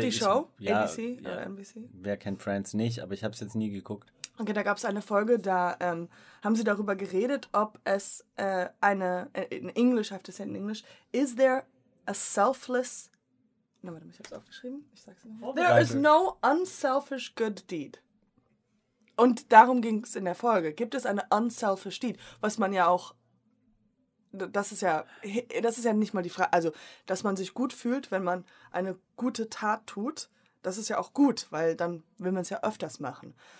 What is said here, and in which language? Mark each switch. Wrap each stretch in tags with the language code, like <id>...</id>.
<de>die Show? Ja, ABC ja. Oder NBC? Wer kennt Friends nicht, aber ich habe es jetzt nie geguckt. Okay, da gab es eine Folge, da haben sie darüber geredet, ob es eine. In Englisch heißt es ja in Englisch.</de> <en>Is there a selfless.</en> <de>Na, warte, ich habe es aufgeschrieben. Ich sag's nochmal.</de> <en>There is no unselfish good deed.</en> <de>Und darum ging es in der Folge. Gibt es eine</de> <en>unselfish deed?</en> <de>Was man ja auch, das ist ja nicht mal die Frage, also, dass man sich gut fühlt, wenn man eine gute Tat tut, das ist ja auch gut, weil dann will man es ja öfters machen.</de>